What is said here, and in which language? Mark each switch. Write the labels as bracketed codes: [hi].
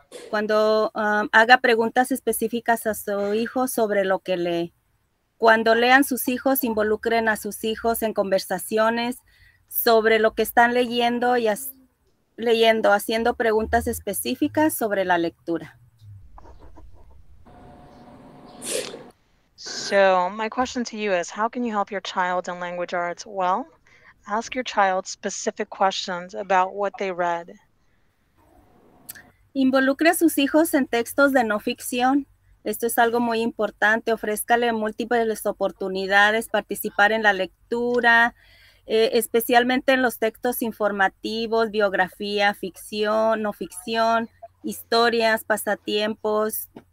[es] Cuando haga preguntas específicas a su hijo sobre lo que lee. Cuando lean sus hijos, involucren a sus hijos en conversaciones sobre lo que están leyendo y leyendo, haciendo preguntas específicas sobre la lectura. [en] So my question to you is, how can you help your child in language arts? Well, ask your child specific questions about what they read. [es] Involucre a sus hijos en textos de no ficción. Esto es algo muy importante. Ofrézcale múltiples oportunidades, participar en la lectura, especialmente en los textos informativos, biografía, ficción, no ficción, historias, pasatiempos.